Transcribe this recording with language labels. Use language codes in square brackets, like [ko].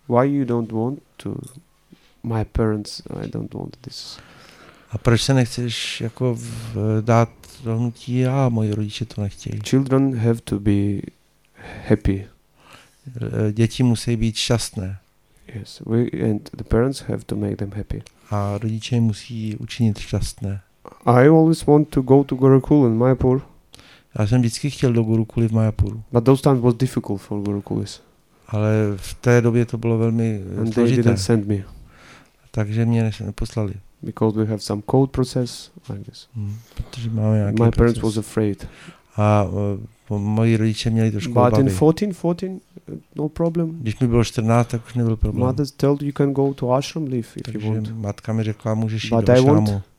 [en] Why you don't want to, my parents, I don't want this. [cs] A proč se nechceš jako dát do hnutí, moji rodiče to nechtějí. [en] Children have to be happy. [cs] Děti musí být šťastné. [en] Yes, and the parents have to make them happy. [cs] A rodiče musí učinit šťastné. [en] I always want to go to Gurukul in Mayapur. [cs] Já jsem vždycky chtěl do Gurukuly v Mayapuru. [en] But those times was difficult for Gurukulis. [cs] Ale v té době to bylo velmi složité. [en] And they didn't send me. [cs] Takže mě neposlali. [en] Because we have some code process like this. [cs] Protože máme nějaký proces. [en] My parents was afraid. [cs] A moji rodiče měli trošku obavy. [en] But in 14, no problem. [cs] Když mi bylo 14, tak už nebyl problém. [en] Mother told you can go to ashram live if you want. [cs] Takže matka mi řekla, můžeš jít do ashramu.